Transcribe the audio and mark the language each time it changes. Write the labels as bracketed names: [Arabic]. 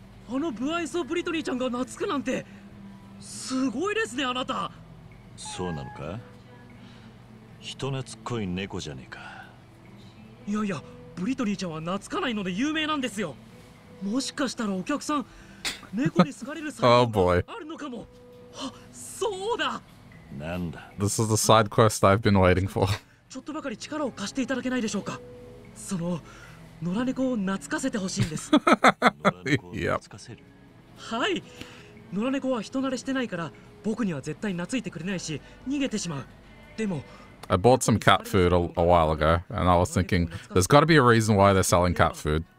[Japanese] あの不愛想ブリトニーちゃんが懐くなんて、すごいですね、あなた。そうなのか？人懐っこい猫じゃねえか。いやいや、ブリトニーちゃんは懐かないので有名なんですよ。もしかしたらお客さん、猫に好かれる才能があるのかも。あ、そうだ。なんだ。 [English] This is the side quest I've been waiting for. [Japanese] ちょっとばかり力を貸していただけないでしょうか。その野良猫を懐かせてほしいんです。懐かせる。はい。野良猫は人慣れしてないから、僕には絶対懐いてくれないし、逃げてしまう。でも、 [English] I bought some cat food a while ago, and I was thinking, there's got to be a reason why they're selling cat food.